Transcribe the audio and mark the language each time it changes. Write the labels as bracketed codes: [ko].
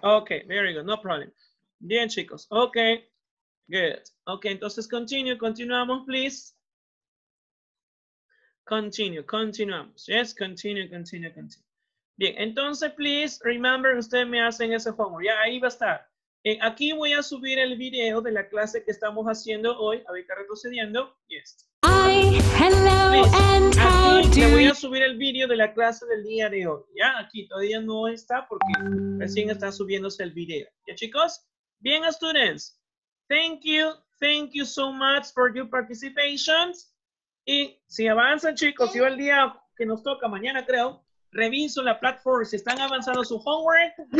[en] Okay, very good. No problem. [es] Bien, chicos. [en] Okay. Good. Okay, [es] entonces [en] continue. [es] Continuamos, [en] please. Continue. [es] Continuamos. [en] Yes, continue, continue, continue. [es] Bien, entonces, [en] please, remember, [es] ustedes me hacen ese homework. Ya, ahí va a estar. Aquí voy a subir el video de la clase que estamos haciendo hoy. A ver, ¿qué retrocediendo? [en] Yes. Hi, hello, and how do you... [es] Aquí voy a subir el video de la clase del día de hoy. Ya, aquí todavía no está porque recién está subiéndose el video. ¿Ya, chicos? Bien, [en] students. Thank you so much for your participation. [es] Y si avanzan, chicos, yo el día que nos toca mañana, creo... Reviso la plataforma, si están avanzando su homework.